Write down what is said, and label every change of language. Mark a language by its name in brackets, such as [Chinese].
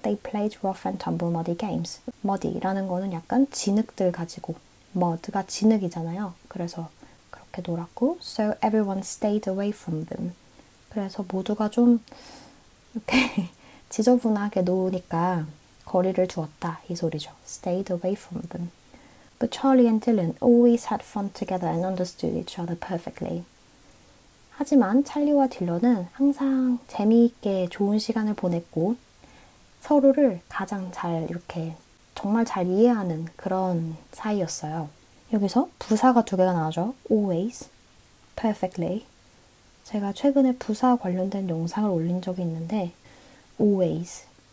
[English] They played rough and tumble muddy games. Muddy [Korean] 라는 거는 약간 진흙들 가지고 Mud가 진흙이잖아요. 그래서 그렇게 놀았고 [English] So everyone stayed away from them. [Korean] 그래서 모두가 좀 이렇게 지저분하게 놓으니까 거리를 두었다 이 소리죠. [English] Stayed away from them. But Charlie and Dylan always had fun together and understood each other perfectly. [Korean] 하지만 찰리와 딜런은 항상 재미있게 좋은 시간을 보냈고 서로를 가장 잘 이렇게 정말 잘 이해하는 그런 사이였어요. 여기서 부사가 두 개가 나오죠. [English] Always, perfectly. [Korean] 제가 최근에 부사 관련된 영상을 올린 적이 있는데 always.